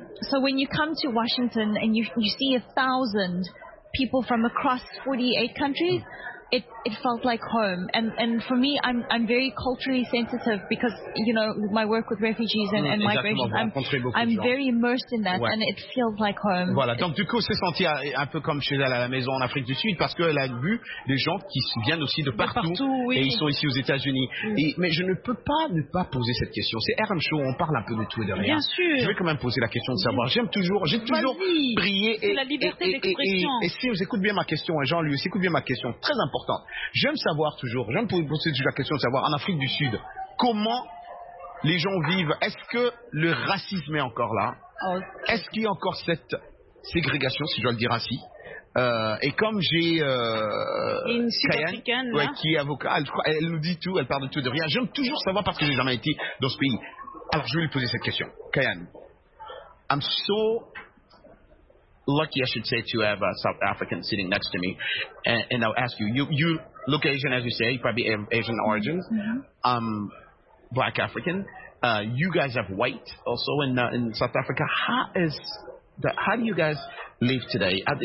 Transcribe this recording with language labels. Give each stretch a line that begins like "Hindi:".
English: So when you come to Washington and you see 1,000 people from across 48 countries, it felt like home. And for me, I'm very culturally sensitive because, you know, my work with refugees and migration, I'm very immersed in that, and it feels like home.
French: Voilà, donc du coup, c'est senti un peu comme chez elle à la maison en Afrique du Sud, parce qu'elle a vu des gens qui viennent aussi de partout, oui. Et ils sont ici aux États-Unis. Mais je ne peux pas ne pas poser cette question. C'est RM Show, on parle un peu de tout et de rien. Bien sûr. Je vais quand même poser la question de savoir. J'ai toujours brillé. C'est la liberté d'expression. Et si vous écoutez bien ma question, Jean-Louis, écoute bien ma question, très important. J'aime savoir toujours, j'aime poser toujours la question de savoir, en Afrique du Sud, comment les gens vivent? Est-ce que le racisme est encore là? Est-ce qu'il y a encore cette ségrégation, si je dois le dire ainsi? Et comme j'ai une Sud-Africaine, ouais, qui est avocat, elle nous dit tout, elle parle de tout, de rien. J'aime toujours savoir parce que j'ai jamais été dans ce pays. Alors je vais lui poser cette question. Kayane,
English: I'm so... lucky, I should say, to have a South African sitting next to me, and I'll ask you. You look Asian, as you say, probably Asian origins. Mm-hmm. Black African. You guys have white also in South Africa. How do you guys live today?